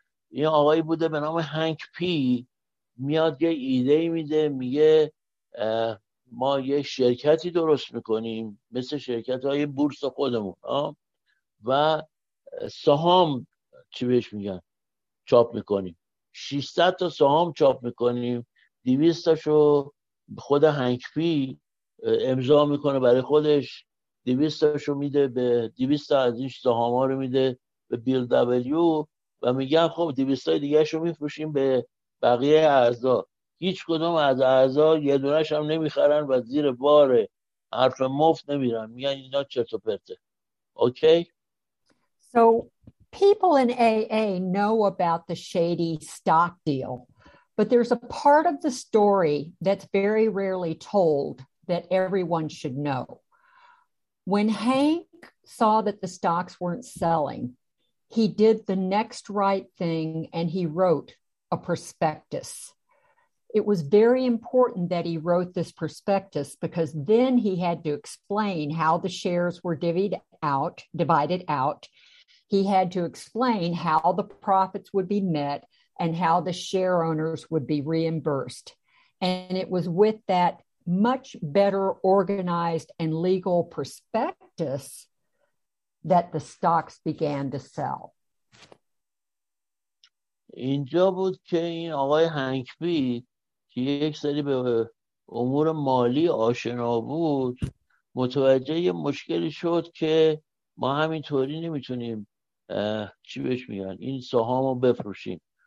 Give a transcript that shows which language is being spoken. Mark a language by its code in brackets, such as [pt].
[fa] این آقایی بوده به نام هنک پی، میاد یه ایده میده، میگه ما یه شرکتی درست میکنیم مثل شرکت های بورس خودمون و سهام چی بهش میگن چاپ میکنیم، 600 تا سهام چاپ میکنیم، 200 تاشو خود هنک پی امضا میکنه برای خودش، 200 تاشو میده به 200 تا از این سهام ها رو میده به بیل دبلیو و میگن خب 200 دیگه شو میفروشیم به بقیه اعضا، هیچ کدوم از اعضا یه دونش هم نمیخرن و زیر بار حرف مفت نمیرن، میگن اینا چرت و پرته. اوکی، [en] So people in AA know about the shady stock deal, but there's a part of the story that's very rarely told that everyone should know. When Hank saw that the stocks weren't selling, he did the next right thing and he wrote a prospectus. It was very important that he wrote this prospectus because then he had to explain how the shares were divided out. He had to explain how the profits would be met and how the share owners would be reimbursed. And it was with that much better organized and legal prospectus that the stocks began to sell. [fa] اینجا بود که این آقای هنک بی که یک سری به امور مالی آشنا بود متوجه یه مشکلی شد که ما همینطوری نمیتونیم چی بهش میگن این سهامو بفروشیم.